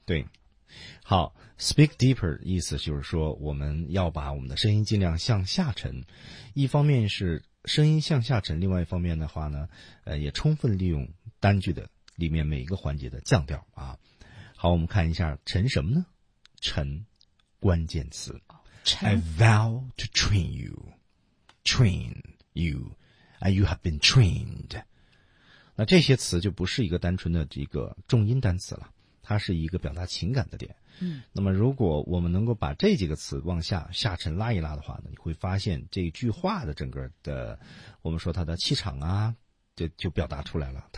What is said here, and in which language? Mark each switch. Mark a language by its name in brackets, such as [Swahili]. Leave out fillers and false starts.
[Chinese] 对，好 ， [English] speak deeper [Chinese] 意思就是说，我们要把我们的声音尽量向下沉。一方面是声音向下沉，另外一方面的话呢，也充分利用单句的里面每一个环节的降调啊。好，我们看一下沉什么呢？沉，关键词。 [English] I vow to train you, train you, and you have been trained. [Chinese] 那这些词就不是一个单纯的这个重音单词了，它是一个表达情感的点。嗯，那么如果我们能够把这几个词往下沉拉一拉的话呢，你会发现这句话的整个的，我们说它的气场啊，就表达出来了。